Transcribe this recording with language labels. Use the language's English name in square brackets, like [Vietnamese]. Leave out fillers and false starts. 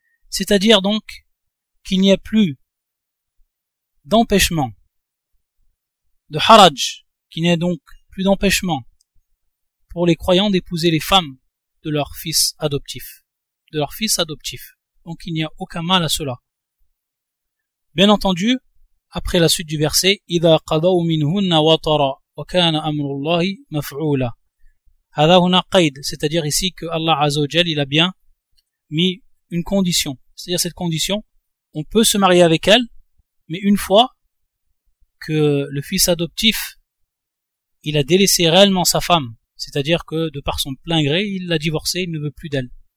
[French] C'est-à-dire donc qu'il n'y ait plus d'empêchement, de haraj, qu'il n'y ait donc plus d'empêchement pour les croyants d'épouser les femmes de leur fils adoptif. Donc il n'y a aucun mal à cela. Bien entendu, après la suite du verset, [Arabic] إِذَا قَضَوْ مِنْهُنَّ وَطَرَى وَكَانَ أَمْرُ اللَّهِ مَفْعُولًا. هَذَا هُنَا قَيْد, [French] c'est-à-dire ici que Allah Azza wa Jalla, il a bien mis une condition. C'est-à-dire cette condition, on peut se marier avec elle, mais une fois que le fils adoptif, il a délaissé réellement sa femme, c'est-à-dire que de par son plein gré, il l'a divorcée, il ne veut plus d'elle.